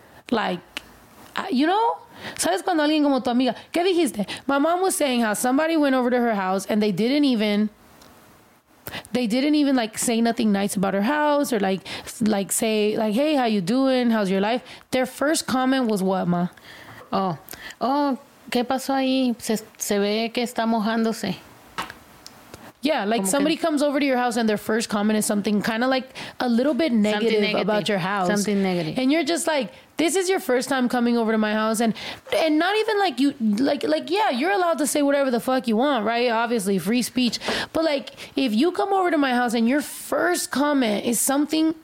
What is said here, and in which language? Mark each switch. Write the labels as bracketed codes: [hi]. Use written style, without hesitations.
[en] Like, you know, [es] sabes cuando alguien como tu amiga, ¿qué dijiste? [en] My mom was saying how somebody went over to her house and they didn't even like say nothing nice about her house or like say like, hey, how you doing? How's your life? Their first comment was what, Ma? [es] Oh, ¿qué pasó ahí? Se ve que está mojándose. [en] Yeah, like somebody comes over to your house and their first comment is something kind of like a little bit negative about your house. Something negative. And you're just like, this is your first time coming over to my house. And not even like you, like yeah, you're allowed to say whatever the fuck you want, right? Obviously, free speech. But like, if you come over to my house and your first comment is something